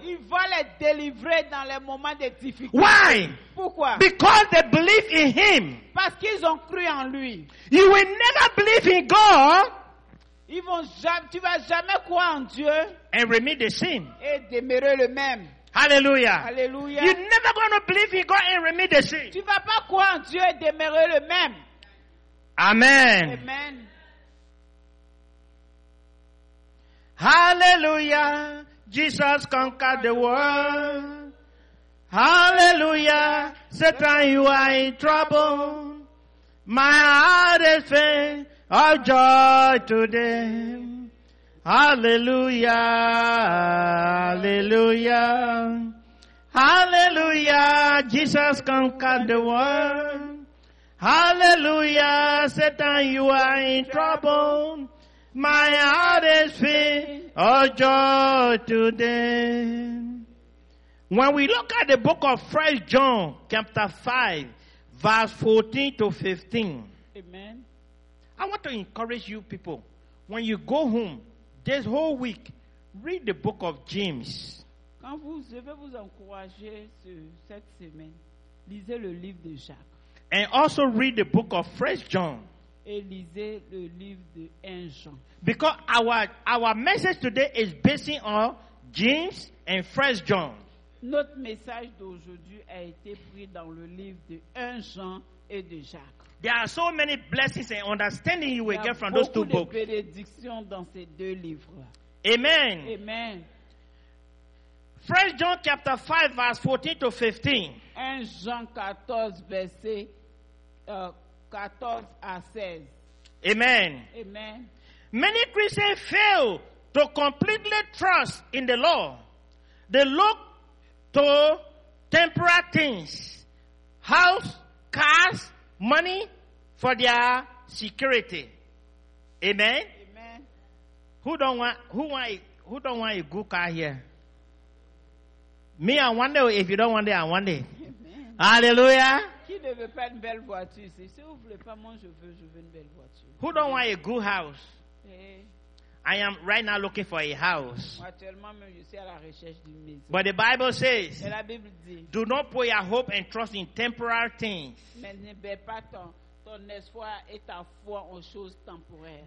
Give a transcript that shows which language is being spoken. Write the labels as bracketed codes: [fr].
[fr] Il va les délivrer dans les moments de difficulté. [en] Why? [fr] Pourquoi? [en] Because they believe in Him. [fr] Parce qu'ils ont cru en lui. [en] You will never believe in God. [fr] Ils vont jamais, tu vas jamais croire en Dieu. [en] And remain the same. [fr] Et demeurer le même. [en] Hallelujah. [fr] Hallelujah. [en] You're never going to believe in God and remain the same. [fr] Tu vas pas croire en Dieu et demeurer le même. [en] Amen. [fr] Amen. [en] Hallelujah, Jesus conquered the world. Hallelujah, Satan, you are in trouble. My heart is filled of joy today. Hallelujah, hallelujah, hallelujah, Jesus conquered the world. Hallelujah, Satan, you are in trouble. My heart is filled of joy today. When we look at the book of 1 John, chapter 5, verse 14 to 15. Amen. I want to encourage you people, when you go home this whole week, read the book of James. [fr] Quand vous devez vous encourager cette semaine, lisez le livre de Jacques. [en] And also read the book of 1 John. [fr] Et lisez le livre de 1 Jean. [en] Because our message today is based on James and 1 John. [fr] Notre message d'aujourd'hui a été pris dans le livre de 1 Jean et de Jacques. [en] There are so many blessings and understanding you will get from those two books. [fr] Il y a beaucoup de bénédictions dans ces deux livres. [en] Amen. [fr] Amen. [en] 1 John chapter 5 verse 14 to 15. [fr] 1 Jean 14 verset 14 à 16. [en] Amen. [fr] Amen. [en] Many Christians fail to completely trust in the law. They look to temporal things, house, cars, money for their security. Amen. Amen. Who don't want a good car here? Me, I wonder if you don't want it, I want it. Amen. Hallelujah. [fr] Qui ne veut pas une belle voiture? Si vous voulez pas, moi je veux une belle voiture. [en] Who don't want a good house? Hey. I am right now looking for a house. [fr] Moi, actuellement, même, je suis à la recherche d'une maison. [en] But the Bible says, [fr] et la Bible dit, [en] do not put your hope and trust in temporal things. [fr] Mais ne mets pas ton espoir et ta foi aux choses temporaires.